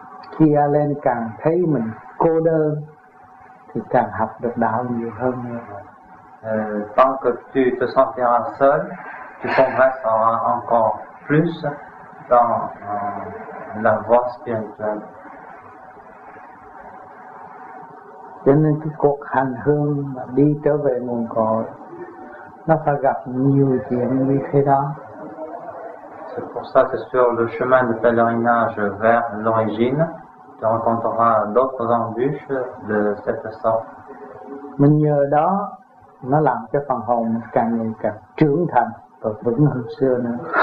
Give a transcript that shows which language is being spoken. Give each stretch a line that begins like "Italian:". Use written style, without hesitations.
Vietnamese: Khi Alan càng thấy mình cô đơn thì càng học được đạo nhiều hơn nữa.
French: Tant que tu te sentiras seul, tu progresseras encore plus dans la voie spirituelle.
Vietnamese: Cho nên cái cuộc hành hương mà đi trở về nguồn cội, nó phải gặp nhiều chuyện như thế đó.
French: C'est pour ça que sur le chemin de pèlerinage vers l'origine, tu rencontreras d'autres embûches de cette sorte.
Vietnamese: Mais nhờ đó, nó làm cho phần hồn càng ngày càng trưởng thành và vững hơn xưa nữa.